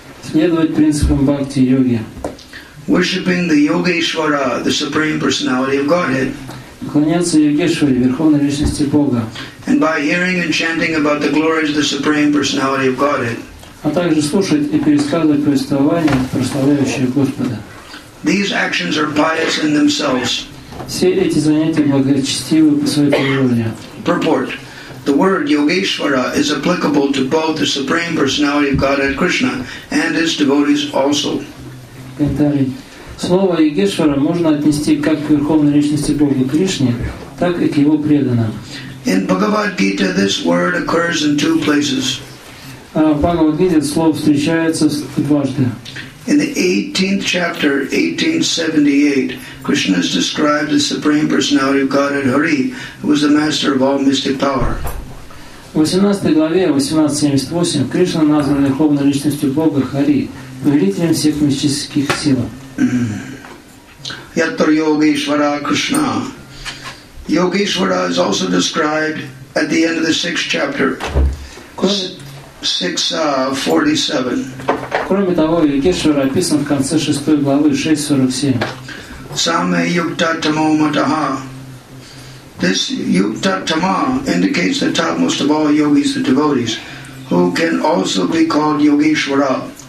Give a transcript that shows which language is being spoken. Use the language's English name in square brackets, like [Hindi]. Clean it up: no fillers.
[Russian] Следовать принципам Бхакти-йоги. [English] Worshipping the Yogeshwara, the Supreme Personality of Godhead. [Russian] Поклоняться Йогешваре, Верховной Личности Бога. [English] And by hearing and chanting about the glories of the Supreme Personality of Godhead. [Russian] А также слушать и пересказывать повествования, прославляющие Господа. [English] These actions are pious in themselves. [Russian] Все эти занятия благочестивы по своей природе. [English] Purport. The word Yogeshwara is applicable to both the Supreme Personality of Godhead Krishna and His devotees also. [Russian] Слово Йогешвара можно отнести как к Верховной Личности Бога Кришне, так и к Его преданным. [English] In Bhagavad Gita, this word occurs in two places. [Russian] В Бхагавад-гите слово встречается дважды. [English] In the 18th chapter, 1878, Krishna is described as the Supreme Personality of Godhead Hari, who was the master of all mystic power. [Russian] В 18 главе, 1878, Кришна назван Верховной Личностью Бога Хари, повелителем всех мистических сил. [Sanskrit] Yatra Yogeshwara Krishna. [English] Yogeshwara is also described at the end of the 6th chapter, 6:47. [Russian] Кроме того, Йогешвара описан в конце 6 главы, 6.47. [Sanskrit] Саме юктатамо матаха. [English] This юктатама indicates the topmost of all yogis, the devotees, who can also be called Йогешвара.